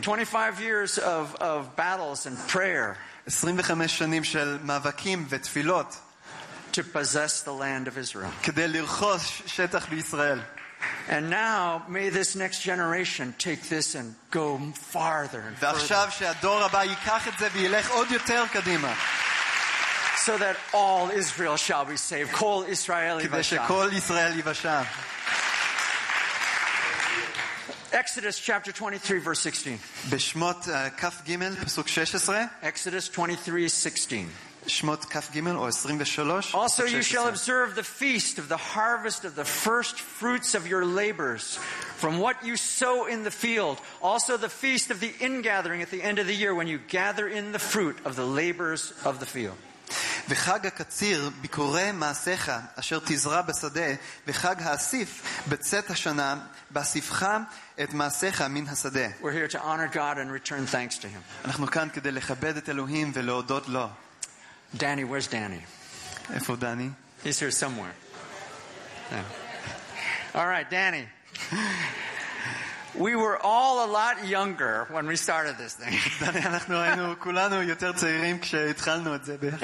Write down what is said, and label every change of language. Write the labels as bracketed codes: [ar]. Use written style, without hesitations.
[en] 25 years of battles and prayer. [he] 25 שנים של מאבקים ותפילות. [en] To possess the land of Israel. [he] כדי לרכוש שטח לישראל. [en] And now may this next generation take this and go farther. [he] ועכשיו שהדור הבא ייקח את זה וילך עוד יותר קדימה. [en] So that all Israel shall be saved. [he] Kol Israel yivasha. כדי שכל ישראל יבשע. [en] Exodus chapter 23 verse 16. [he] בשמות כף גימל פסוק 16. [en] Exodus 23:16. [he] שמות כף גימל או 23. [en] Also you shall observe the feast of the harvest of the first fruits of your labors from what you sow in the field, also the feast of the ingathering at the end of the year when you gather in the fruit of the labors of the field. [he] וחג הקציר ביקורי מעשיך אשר תזרע בשדה וחג האסיף בצאת השנה באסיפך את מעשיך מן השדה. [en] We're here to honor God and return thanks to him. [he] אנחנו כאן כדי לכבד את אלוהים ולהודות לו. [en] Danny, where's Danny? [he] איפה דני? [en] He's here somewhere. Yeah. All right, Danny. We were all a lot younger when we started this thing. [he] אנחנו היינו כולנו יותר צעירים כשהתחלנו את זה.